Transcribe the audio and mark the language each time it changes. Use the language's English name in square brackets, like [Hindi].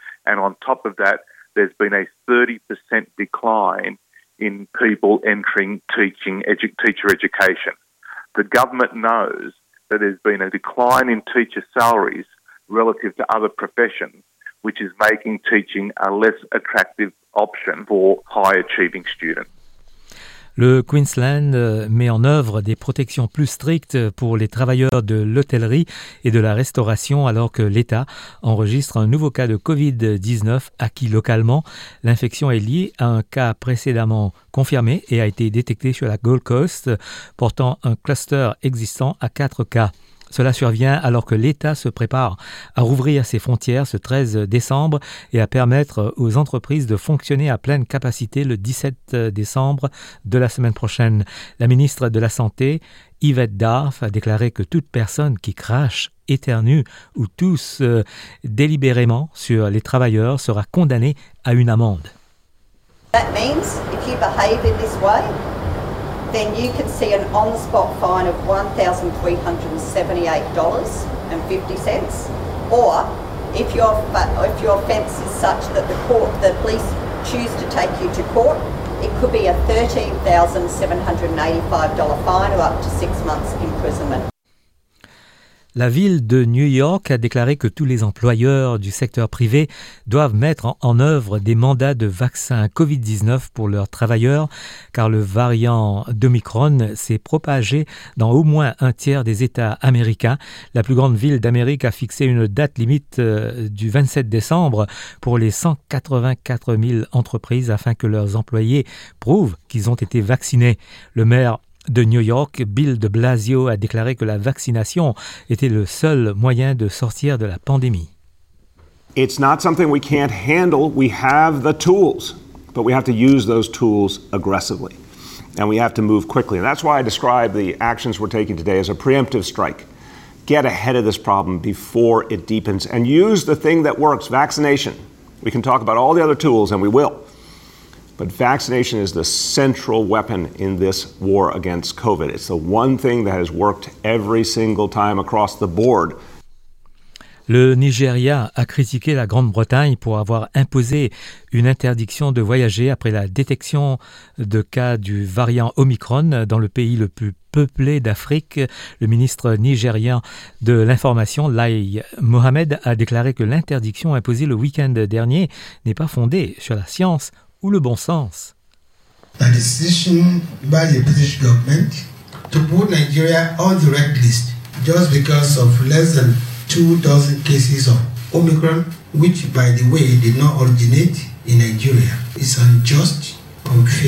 [English] And on top of that, there's been a 30% decline in people entering teacher education. The government knows that there's been a decline in teacher salaries relative to other professions, which is making teaching a less attractive option for high-achieving students. [French] Le Queensland met en œuvre des protections plus strictes pour les travailleurs de l'hôtellerie et de la restauration alors que l'État enregistre un nouveau cas de COVID-19 acquis localement. L'infection est liée à un cas précédemment confirmé et a été détecté sur la Gold Coast, portant un cluster existant à 4 cas. Cela survient alors que l'État se prépare à rouvrir ses frontières ce 13 décembre et à permettre aux entreprises de fonctionner à pleine capacité le 17 décembre de la semaine prochaine. La ministre de la Santé, Yvette Darf, a déclaré que toute personne qui crache, éternue ou tousse délibérément sur les travailleurs sera condamnée à une amende. [English] That means if you behave in this way, then you can see an on-the-spot fine of $1,378.50. Or if your offence is such that the police choose to take you to court, it could be a $13,785 fine or up to 6 months imprisonment. [French] La ville de New York a déclaré que tous les employeurs du secteur privé doivent mettre en œuvre des mandats de vaccin COVID-19 pour leurs travailleurs, car le variant d'Omicron s'est propagé dans au moins un tiers des États américains. La plus grande ville d'Amérique a fixé une date limite du 27 décembre pour les 184 000 entreprises afin que leurs employés prouvent qu'ils ont été vaccinés. Le maire de New York, Bill de Blasio a déclaré que la vaccination était le seul moyen de sortir de la pandémie. [English] It's not something we can't handle. We have the tools, but we have to use those tools aggressively. And we have to move quickly. And that's why I describe the actions we're taking today as a preemptive strike. Get ahead of this problem before it deepens and use the thing that works, vaccination. We can talk about all the other tools and we will. But vaccination is the central weapon in this war against COVID. It's the one thing that has worked every single time across the board. [French] Le Nigeria a critiqué la Grande-Bretagne pour avoir imposé une interdiction de voyager après la détection de cas du variant Omicron dans le pays le plus peuplé d'Afrique. Le ministre nigérien de l'Information, Lai Mohamed, a déclaré que l'interdiction imposée le week-end dernier n'est pas fondée sur la science ou le bon sens. La décision [English] by the British government to put Nigeria on the red list just because of less than 2 dozen cases of Omicron, which by the way did not originate in Nigeria, is unjust, unfair.